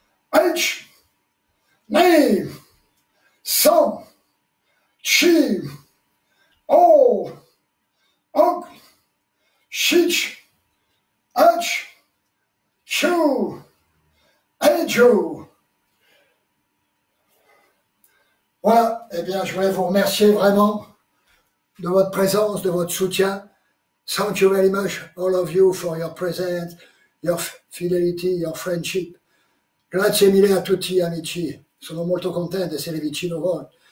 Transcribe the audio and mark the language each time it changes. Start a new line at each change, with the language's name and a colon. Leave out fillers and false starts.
French: ach, ni, son, chi, o, ok, shich, ach, chu, aju. Voilà, eh bien, je voulais vous remercier vraiment de votre présence, de votre soutien.
English: Thank you very much, all of you, for your presence, your fidelity, your friendship.
Italian: Grazie mille a tutti, amici. Sono molto contento di essere vicino a voi.